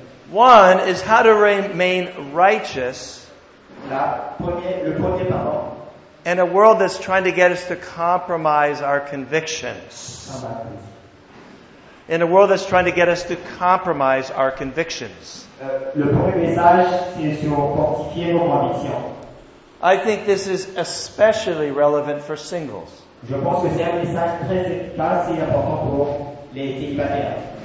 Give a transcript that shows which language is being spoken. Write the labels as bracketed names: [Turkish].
[English] One is how to remain righteous in a world that's trying to get us to compromise our convictions. In a world that's trying to get us to compromise our convictions. [French] Le premier message, c'est sur fortifier nos convictions. [English] I think this is especially relevant for singles. [French] Je pense que c'est un message très efficace et important pour les célibataires.